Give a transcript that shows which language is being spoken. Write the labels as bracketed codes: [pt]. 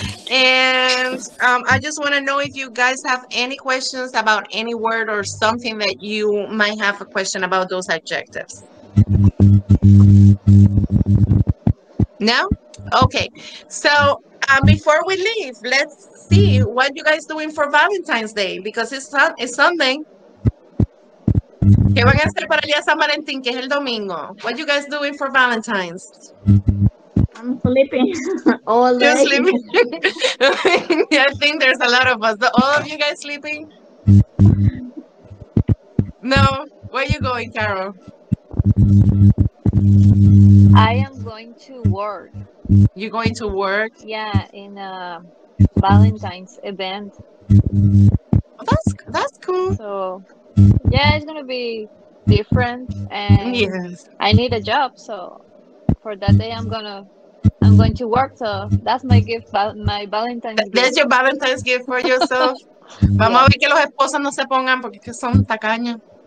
[en] And I just want to know if you guys have any questions about any word or something that you might have a question about those adjectives. No? Okay. So before we leave, let's see what you guys doing for Valentine's Day, because it's Sunday. [es] ¿Qué van a hacer para el día San Valentín, que es el domingo? [en] What are you guys doing for Valentine's? I'm sleeping all day. You're sleeping? I think there's a lot of us. All of you guys sleeping? No. Where are you going, Carol? I am going to work. You're going to work? Yeah, in a Valentine's event. Well, that's cool. So... yeah, it's gonna be different, and yes. I need a job. So for that day, I'm going to work. So that's my gift, my Valentine's gift. That's your Valentine's gift for yourself. [es] Vamos yeah. a ver que los esposos no se pongan porque son tacaños.